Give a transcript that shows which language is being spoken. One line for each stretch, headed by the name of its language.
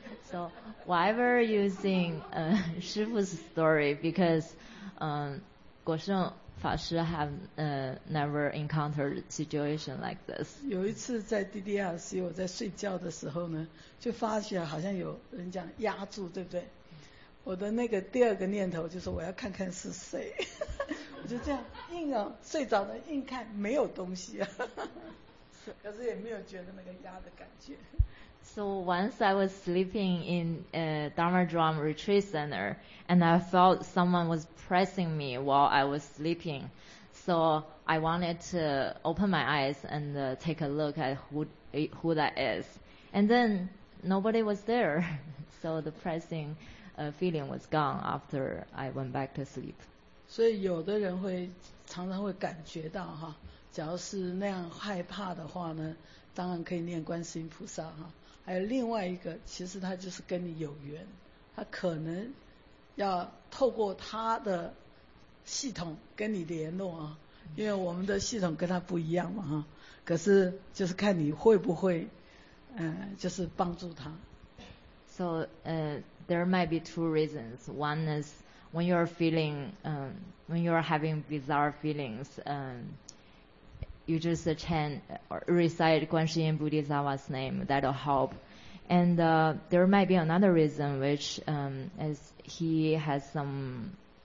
English: So why were you using 师父's story? Because 果圣法师 have never encountered situation like this.
Chinese: 有一次在 DDRC 我在睡觉的时候呢，就发现好像有人讲压住，对不对？我的那个第二个念头就是我要看看是谁。我就这样硬啊，睡着的硬看，没有东西啊。可是也没有觉得那个压的感觉。
English: So once I was sleeping in a Dharma Drum Retreat Center, and I felt someone was pressing me while I was sleeping. So I wanted to open my eyes and take a look at who that is. And then nobody was there. So the pressing feeling was gone after I went back to sleep.
Chinese: 所以有的人会常常会感觉到哈，假如是那样害怕的话呢，当然可以念观世音菩萨哈。还有另外一个，其实他就是跟你有缘，他可能要透过他的系统跟你联络啊，因为我们的系统跟他不一样嘛哈。可是就是看你会不会，就是帮助他。
English: So, there might be two reasons. One is when you're feeling, when you're having bizarre feelings, you just chant or recite Guan Shi Yin Bodhisattva's name, that'll help. And there might be another reason, which is he has some...